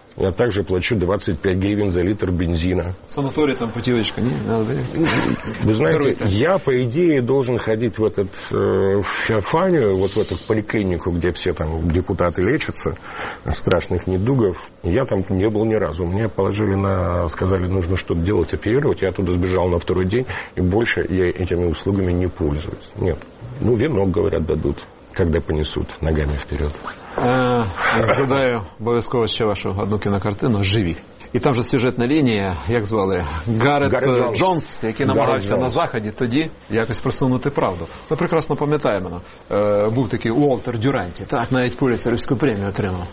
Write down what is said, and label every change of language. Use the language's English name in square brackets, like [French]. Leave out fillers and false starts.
[Ukrainian] Я також плачу 25 гривень за літр бензина. Санаторій там путівочка, ні? Ви знаєте, я, по ідеї, [Russian] должен ходити в этот в Феофанію, вот в эту поліклініку, где все там депутати лечаться страшних недугов. Я там не был ни разу. Мне положили сказали, нужно что-то делать, оперировать. Я оттуда сбежал на второй день, и больше я этими услугами не пользуюсь. Нет. Ну, венок, говорят, дадут. Когда понесут ногами вперед. [Ukrainian] Я згадаю обов'язково ще вашу одну кінокартину «Живі». І там же сюжетна лінія, як звали, Гаррет Джонс, який намагався на Заході тоді якось просунути правду. Ми прекрасно пам'ятаємо, був такий Уолтер Дюранті, так, навіть Пулітцерівську премію отримав.